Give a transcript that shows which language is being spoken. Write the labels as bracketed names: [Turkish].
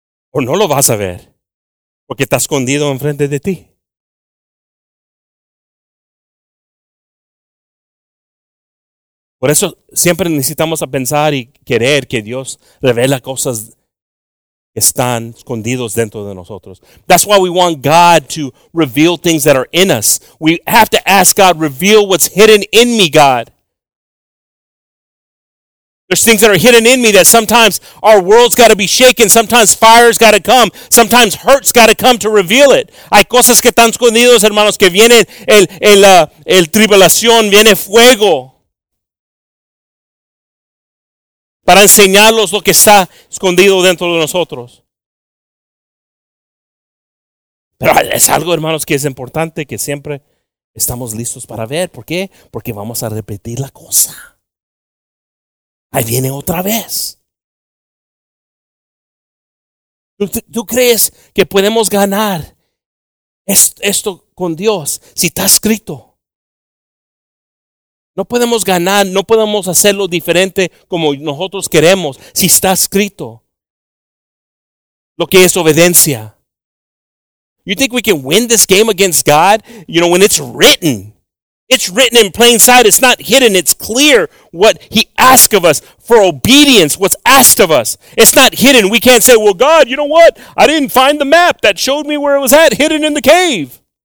[Spanish] O no lo vas a ver, porque está escondido enfrente de ti. Por eso siempre necesitamos a pensar y querer que Dios revela cosas que están escondidos dentro de nosotros. [English] That's why we want God to reveal things that are in us. We have to ask God, reveal what's hidden in me, God. There's things that are hidden in me that sometimes our world's got to be shaken. Sometimes fire's got to come. Sometimes hurt's got to come to reveal it. [Spanish] Hay cosas que están escondidos, hermanos, que viene el tribulación, viene fuego. Para enseñarlos lo que está escondido dentro de nosotros. Pero es algo, hermanos, que es importante que siempre estamos listos para ver. ¿Por qué? Porque vamos a repetir la cosa. Ahí viene otra vez. ¿Tú crees que podemos ganar esto con Dios si está escrito? No podemos ganar, no podemos hacerlo diferente como nosotros queremos si está escrito. Lo que es obediencia. [English] You think we can win this game against God? You know, when it's written. It's written in plain sight. It's not hidden. It's clear what he asked of us for obedience, what's asked of us. It's not hidden. We can't say, well, God, you know what? I didn't find the map that showed me where it was at, hidden in the cave.